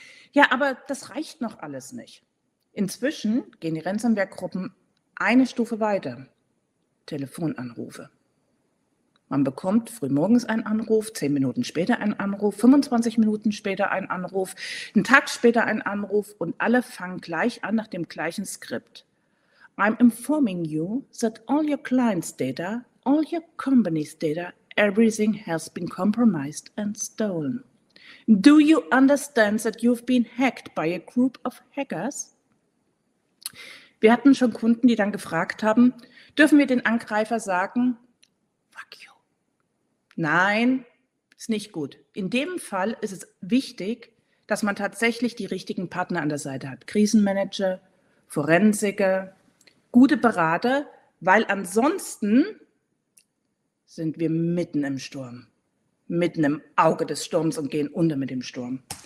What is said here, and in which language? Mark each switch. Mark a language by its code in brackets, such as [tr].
[de] Ja, aber das reicht noch alles nicht. Inzwischen gehen die Ransomware-Gruppen eine Stufe weiter. Telefonanrufe. Man bekommt frühmorgens einen Anruf, 10 Minuten später einen Anruf, 25 Minuten später einen Anruf, einen Tag später einen Anruf und alle fangen gleich an nach dem gleichen Skript. [en] I'm informing you that all your clients' data, all your company's data, everything has been compromised and stolen. Do you understand that you've been hacked by a group of hackers? [de] Wir hatten schon Kunden, die dann gefragt haben, dürfen wir den Angreifer sagen, fuck you? Nein, ist nicht gut. In dem Fall ist es wichtig, dass man tatsächlich die richtigen Partner an der Seite hat. Krisenmanager, Forensiker, gute Berater, weil ansonsten sind wir mitten im Sturm, mitten im Auge des Sturms und gehen unter mit dem Sturm.